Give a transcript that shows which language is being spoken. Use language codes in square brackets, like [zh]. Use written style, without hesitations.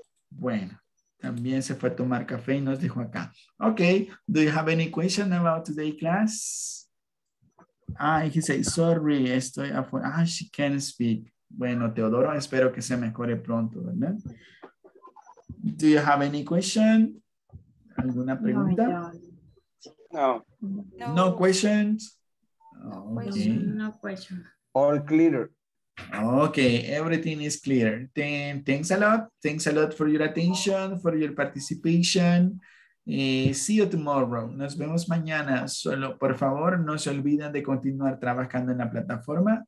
[es] Bueno, también se fue a tomar café y nos dejó acá. [en] Okay, do you have any question about today's class? Ah, he said, sorry, [es] estoy afuera. [en] Ah, she can't speak. [es] Bueno, Teodoro, espero que se mejore pronto, ¿verdad? [en] Do you have any question? [es] ¿Alguna pregunta? [en] No. No questions? No questions. All clear. Okay, everything is clear. Then, thanks a lot. Thanks a lot for your attention, for your participation. See you tomorrow. [es] Nos vemos mañana. Solo, por favor, no se olviden de continuar trabajando en la plataforma.